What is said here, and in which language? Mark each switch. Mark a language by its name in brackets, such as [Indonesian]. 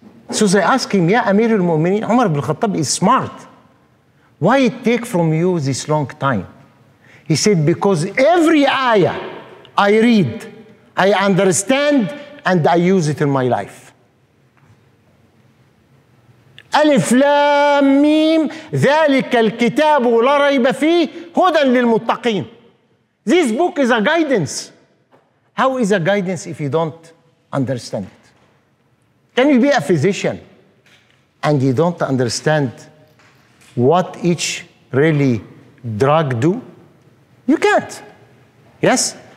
[English] So they ask him, Ya Amir al-Mu'mineen, Umar ibn al-Khattab is smart. Why it take from you this long time? He said, because every ayah I read, I understand, and I use it in my life. [Arabic] ألف لام ميم ذلك الكتاب لا ريب فيه هدى للمتقين. [English] This book is a guidance. How is a guidance if you don't understand it? Can you be a physician and you don't understand what each really drug do? You can't. Yes?